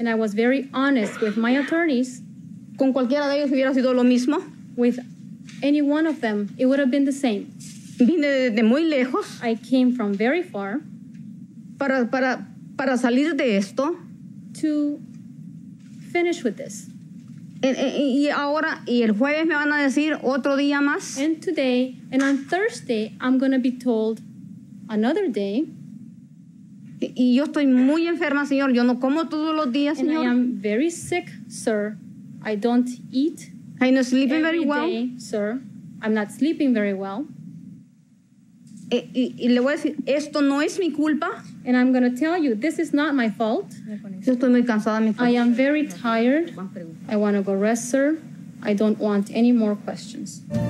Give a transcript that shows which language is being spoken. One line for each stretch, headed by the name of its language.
English: And I was very honest with my attorneys.
Spanish: Con cualquiera de ellos hubiera sido lo mismo.
English: With any one of them, it would have been the same.
Spanish: Vine de muy lejos.
English: I came from very far.
Spanish: Para salir de esto.
English: To finish with this.
Spanish: Y ahora, y el jueves me van a decir otro día más.
English: And today, and on Thursday, I'm going to be told another day.
Spanish: Y yo estoy muy enferma, señor. Yo no como todos los días, señor.
English: And I am very sick, sir. I don't eat. I'm not sleeping every very well. Day, sir. I'm not sleeping very well.
Spanish: Y le voy a decir, esto no es mi culpa.
English: And I'm going to tell you, this is not my fault.
Spanish: Yo estoy muy cansada, mi
English: I am very tired. I want to go rest, sir. I don't want any more questions.